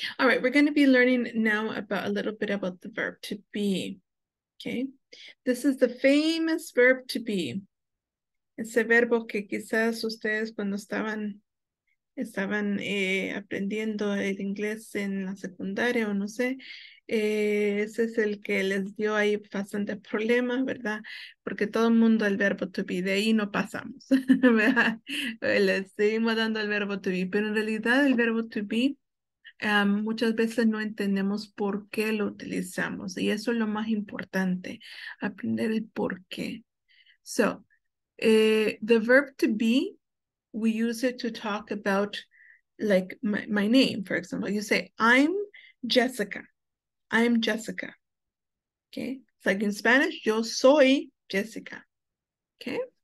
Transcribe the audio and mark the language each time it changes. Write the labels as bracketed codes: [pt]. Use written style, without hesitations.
[en] All right, we're going to be learning now about a little bit about the verb to be. Okay, this is the famous verb to be. [es] Ese verbo que quizás ustedes cuando estaban aprendiendo el inglés en la secundaria o no sé, ese es el que les dio ahí bastante problemas, ¿verdad? Porque todo el mundo el verbo to be, de ahí no pasamos, ¿verdad? Les seguimos dando el verbo to be, pero en realidad el verbo to be muchas veces no entendemos por qué lo utilizamos y eso es lo más importante, aprender el por qué. [en] So, the verb to be, we use it to talk about like my name, for example. You say, I'm Jessica. I'm Jessica. Okay? It's like in Spanish, [es] yo soy Jessica. [en] Okay?